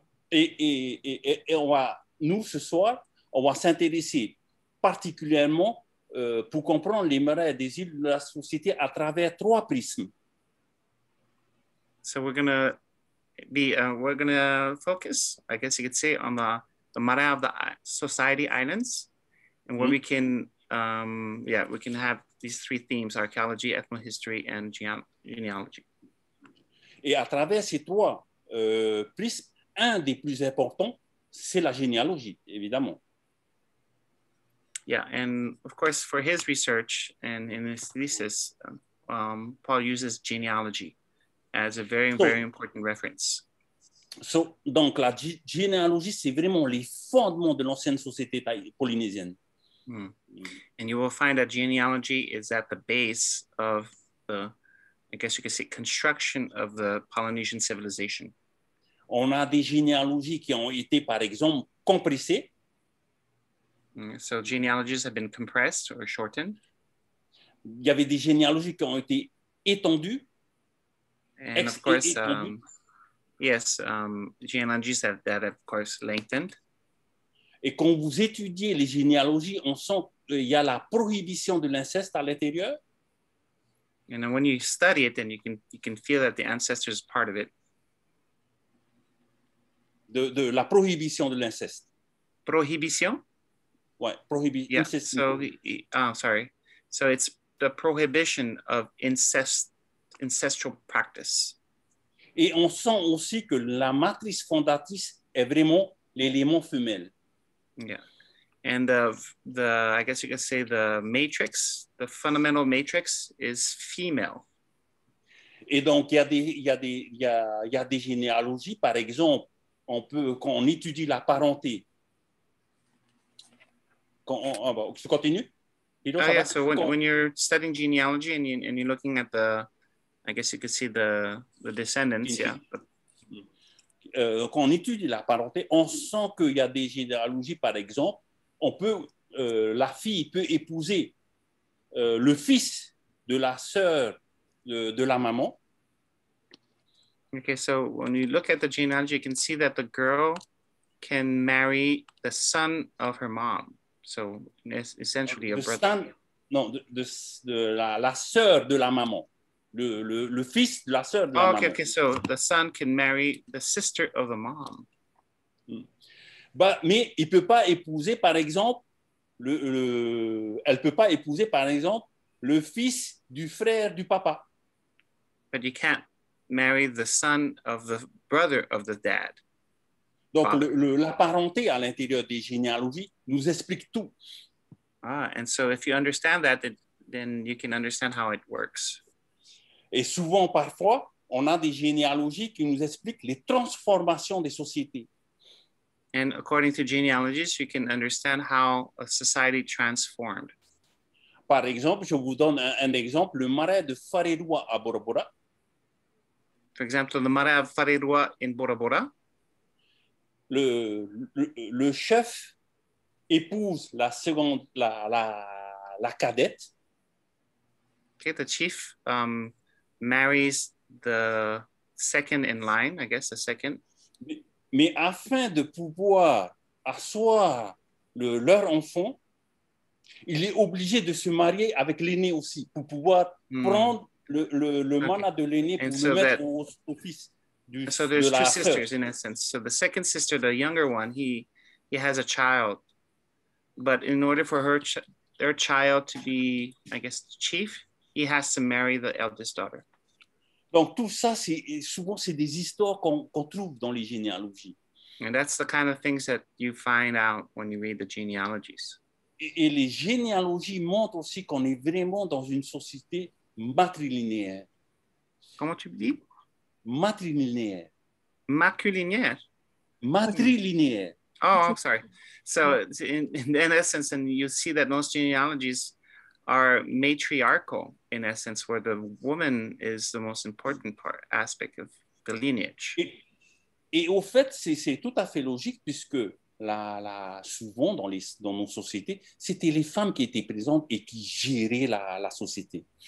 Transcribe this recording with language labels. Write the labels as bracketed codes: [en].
[fr] Et on va, nous, ce soir, on va s'intéresser particulièrement pour comprendre les marais des îles de la société à travers trois prismes. [en] So we're gonna focus, I guess you could say, on the marais of the society islands, and where mm-hmm. we can have these three themes: archaeology, ethnohistory, and genealogy. [fr] Et à travers ces trois prismes, un des plus importants, c'est la généalogie, évidemment. [en] Yeah, and of course, for his research and in his thesis, Paul uses genealogy as a very, very important reference. [fr] So, donc la généalogie, c'est vraiment les fondements de l'ancienne société polynésienne. Mm. [en] And you will find that genealogy is at the base of the, I guess you could say, construction of the Polynesian civilization. [fr] On a des généalogies qui ont été, par exemple, compressées. [en] So genealogies have been compressed or shortened. [fr] Il y avait des généalogies qui ont été étendues. [en] And of course, genealogies that of course lengthened. [fr] Et quand vous étudiez les généalogies, on sent qu'il y a la prohibition de l'inceste à l'intérieur. [en] And when you study it, then you can feel that the ancestor is part of it. [fr] De la prohibition de l'inceste. [en] Prohibition? [fr] Ouais, prohibition. [en] Yeah, so, So it's the prohibition of incestual practice. [fr] Et on sent aussi que la matrice fondatrice est vraiment l'élément femelle. [en] Yeah, and the I guess you could say the matrix, the fundamental matrix is female. [fr] Et donc il y a des généalogies, par exemple, quand on étudie la parenté. [en] When you're studying genealogy and you're looking at the, I guess you could see the descendants, yeah. [fr] Quand on étudie la parenté, on sent qu'il y a des généalogies, par exemple, on peut, la fille peut épouser le fils de la sœur de la maman. [en] Okay, so when you look at the genealogy, you can see that the girl can marry the son of her mom. So essentially a brother. [fr] La sœur de la maman. Le fils de la sœur de la maman. [en] Okay, so the son can marry the sister of the mom. Mm. [fr] Mais il peut pas épouser, par exemple, elle peut pas épouser, par exemple, le fils du frère du papa. [en] But you can't marry the son of the brother of the dad. [fr] Donc, la parenté à l'intérieur des généalogies nous explique tout. [en] Ah, and so if you understand that, then you can understand how it works. [fr] Et souvent, parfois, on a des généalogies qui nous expliquent les transformations des sociétés. [en] And according to genealogies, you can understand how a society transformed. [fr] Par exemple, je vous donne un exemple, le marais de Farerua à Bora Bora. [en] For example, the marais of Farerua in Bora Bora. [fr] Le chef épouse la seconde, la cadette. [en] Okay, the chief marries the second in line, I guess, the second. [fr] Mais afin de pouvoir asseoir leur enfant, il est obligé de se marier avec l'aîné aussi pour pouvoir prendre le okay. mana de l'aîné pour so le mettre au fils. [en] So there's two sisters in essence. So the second sister, the younger one, he has a child. But in order for her their child to be, I guess, the chief, he has to marry the eldest daughter. [fr] Donc tout ça, c'est souvent des histoires qu'on trouve dans les généalogies. [en] And that's the kind of things that you find out when you read the genealogies. [fr] Et les généalogies montrent aussi qu'on est vraiment dans une société matrilinéaire. Comment tu dis? Matrilinéaire. Maculinéaire. Matrilinéaire. [en] Oh, I'm sorry. So in essence, and you see that most genealogies are matriarchal in essence, where the woman is the most important part aspect of the lineage. [fr] Et au fait, c'est tout à fait logique puisque souvent dans nos sociétés, c'était les femmes qui étaient présentes et qui géraient la société.